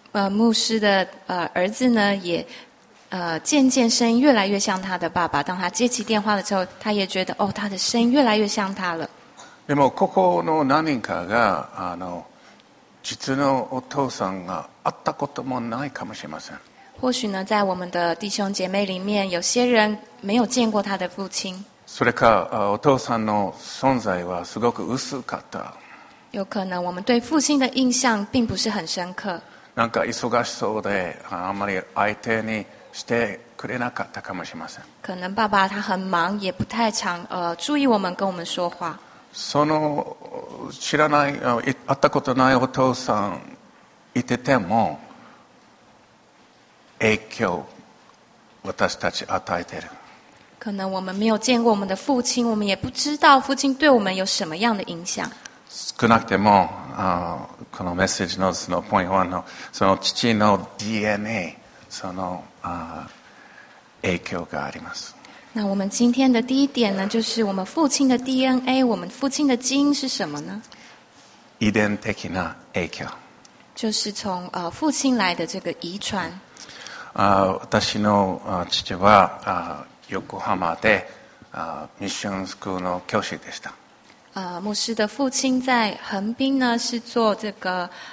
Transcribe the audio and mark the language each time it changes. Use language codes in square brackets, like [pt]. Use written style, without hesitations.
[zh] 牧师的儿子呢也渐渐声音越来越像他的爸爸，当他接起电话的时候，他也觉得哦，他的声音越来越像他了。 [ja] でもここの何人かが実のお父さんが会ったこともないかもしれません。 [zh] 或许呢，在我们的弟兄姐妹里面，有些人没有见过他的父亲。 [ja] それかお父さんの存在はすごく薄かった。 [zh] 有可能我们对父亲的印象并不是很深刻。 [ja] なんか忙しそうで、あんまり相手にしてくれなかったかもしれません。 [zh] 可能爸爸他很忙，也不太常注意我们，跟我们说话。 [ja] その知らない会ったことないお父さんいてても影響私たち与えてる。 [zh] 可能我们没有见过我们的父亲，我们也不知道父亲对我们有什么样的影响。 [ja] 少なくてもこのメッセージのそのポイント1のその父の DNA その影響があります。 [zh] 那我们今天的第一点呢，就是我们父亲的 DNA， 我们父亲的基因是什么呢？ [ja] 遺伝的な影響， [zh] 就是从父亲来的这个遗传。 [ja] 私の父は横浜でミッションスクールの教師でした。 [zh] 牧师的父亲在横滨呢，是做这个